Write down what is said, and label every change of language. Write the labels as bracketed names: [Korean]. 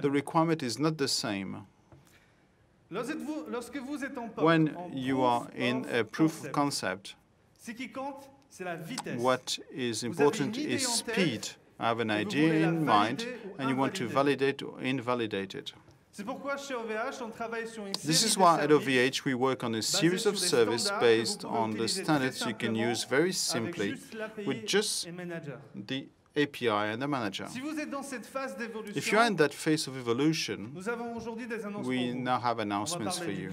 [English] The requirement is not the same. [French] Lorsque vous êtes en POC, [English] when [French] en [English] you are in a proof of concept, [French] ce qui compte, c'est la vitesse. [English] What is important is speed. I have an idea in mind, and you want to validate or invalidate it. [French] C'est pourquoi chez OVH, on travaille sur une série [English] this is why at OVH, we work on a series of services based on the standards you can use very simply with just the API and the manager. [French] Si vous êtes dans cette phase d'évolution, [English] if you're in that phase of evolution, [French] nous avons aujourd'hui des annonces [English] we [French] pour vous. [English] Now have announcements for you.